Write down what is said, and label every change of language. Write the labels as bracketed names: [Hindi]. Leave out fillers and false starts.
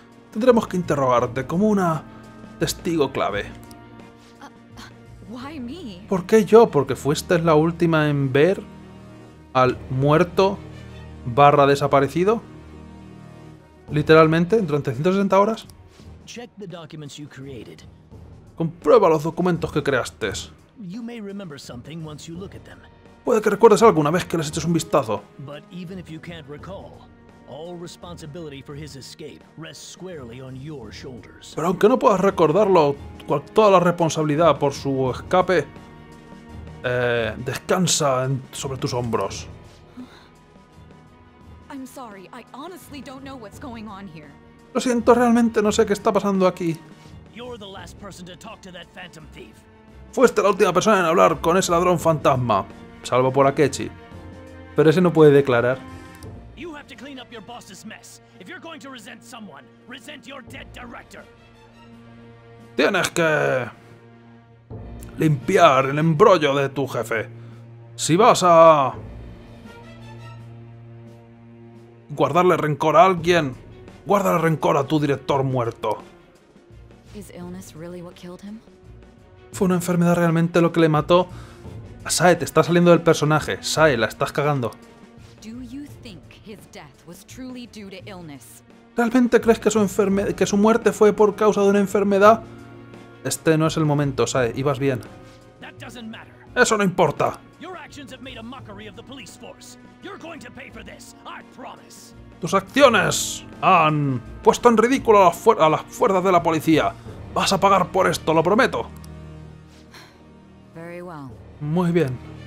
[Spanish] Tendremos que interrogarte como una testigo clave. ¿Por qué yo? Porque fuiste la última en ver al muerto barra desaparecido. Literalmente, durante 160 horas. [English] Check the documents you created. [Spanish] Comprueba los documentos que creaste. [English] You may remember something once you look at them. [Spanish] Puede que recuerdes algo una vez que les eches un vistazo. [English] But even if you can't recall, all responsibility for his escape rests squarely on your shoulders. [Spanish] Pero aunque no puedas recordarlo, toda la responsabilidad por su escape descansa sobre tus hombros. [English] I'm sorry, I honestly don't know what's going on here. [Spanish] Lo siento, realmente no sé qué está pasando aquí. [English] You're the last person to talk to that phantom thief. [Spanish] Fuiste la última persona en hablar con ese ladrón fantasma, salvo por Akechi. Pero ese no puede declarar. [English] You have to clean up your boss's mess. If you're going to resent someone, resent your dead director. [Spanish] Tienes que limpiar el embrollo de tu jefe. Si vas a guardarle rencor a alguien, guárdale rencor a tu director muerto. [English] Is illness really what killed him? [Spanish] ¿Fue una enfermedad realmente lo que le mató? A Sae, te está saliendo del personaje. Sae, la estás cagando. [English] Do you think his death was truly due to illness? [Spanish] ¿Realmente crees que su muerte fue por causa de una enfermedad? Este no es el momento, Sae. Ibas bien. [English] That doesn't matter. [Spanish] ¡Eso no importa! [English] Your actions have made a mockery of the police force. You're going to pay for this, I promise. [Spanish] Tus acciones han puesto en ridículo a las fuerzas de la policía. Vas a pagar por esto, lo prometo. Muy bien.